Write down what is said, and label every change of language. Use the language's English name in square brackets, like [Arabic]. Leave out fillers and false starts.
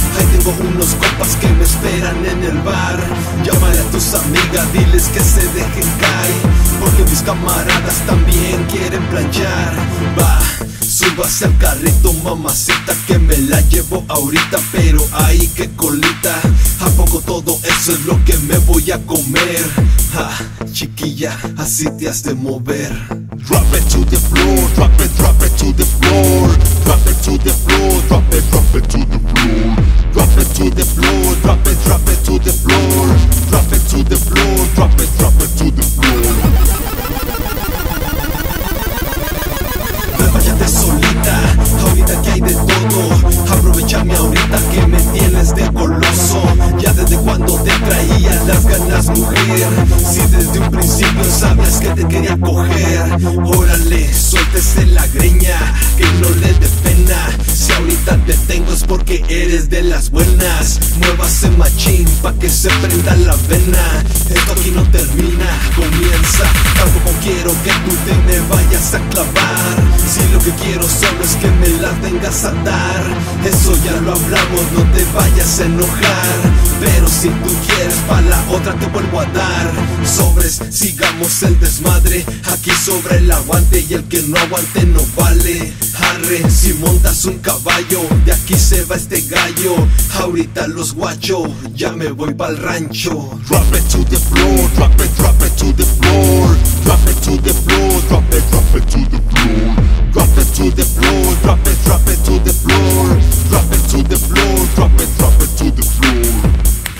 [Spanish] Ahí tengo unos copas que me esperan en el bar. Llámale a tus amigas, diles que se dejen caer, porque mis camaradas también quieren planchar. Va, súbase al carrito mamacita, que me la llevo ahorita. Pero ay, qué colita, ¿a poco todo eso es lo que me voy a comer? Ja, chiquilla, así te has de mover. [English] Drop it to the floor, drop it, drop it to the floor. Drop it to the floor, drop it to the floor. Drop it to the floor, drop it to the floor. Drop it to the floor, drop it to the floor. [Spanish] No vayas solita, ahorita que hay de todo. Aprovechame ahorita que me tienes de coloso. Ya desde cuando te traía las ganas, mujer. Si desde un principio sabías que te quería coger. Órale, suéltese la greña, que no le dé pena. Si ahorita te tengo es porque eres de las buenas. Muévase machín pa' que se prenda la vena. Esto aquí no termina, comienza. Tampoco quiero que tú te me vayas a clavar. Si lo que quiero solo es que me la vengas a dar. Eso ya lo hablamos, no te vayas a enojar. Pero si tú quieres pa' la otra te vuelvo a dar. Sobres, sigamos el desmadre. Aquí sobra el aguante y el que no aguante no vale. Arre, si montas un caballo, de aquí se va este gallo. Ahorita los guacho, ya me voy pa'l rancho. [English] Drop it to the floor, drop it to the floor. Drop it to the floor, drop it to the floor. Drop it to the floor, drop it to the floor. Drop it to the floor, drop it to the floor.